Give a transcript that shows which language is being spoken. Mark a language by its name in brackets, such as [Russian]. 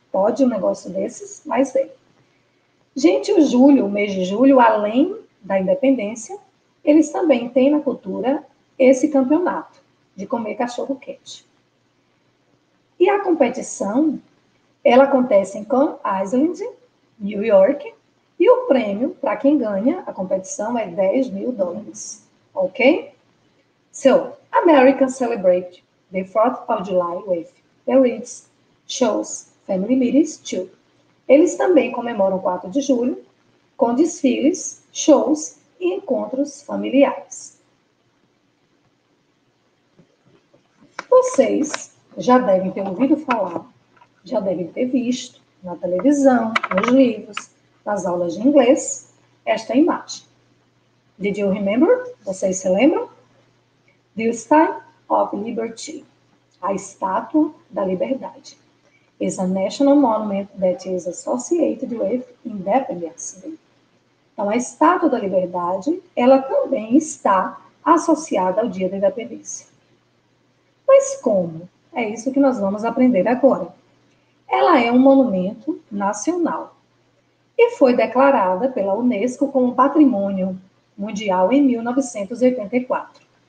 [Portuguese] Pode um negócio desses, mas bem. Gente, o julho, o mês de julho, além da independência, eles também têm na cultura esse campeonato de comer cachorro quente. E a competição, ela acontece em Coney Island, New York, e o prêmio para quem ganha a competição é $10,000, ok? [English] So, Americans celebrate the 4th of July with parades, shows, family meetings, too. [Portuguese] Eles também comemoram 4 de julho com desfiles, shows e encontros familiares. Vocês já devem ter ouvido falar, já devem ter visto na televisão, nos livros, nas aulas de inglês, esta imagem. [English] Did you remember? [Portuguese] Vocês se lembram? [English] The Statue of Liberty. [Portuguese] A Estátua da Liberdade. [English] Is a national monument that is associated with Independence Day. [Portuguese] Então, a Estátua da Liberdade, ela também está associada ao Dia da Independência. Mas como? É isso que nós vamos aprender agora. Ela é um monumento nacional e foi declarada pela Unesco como Patrimônio Mundial em 1984.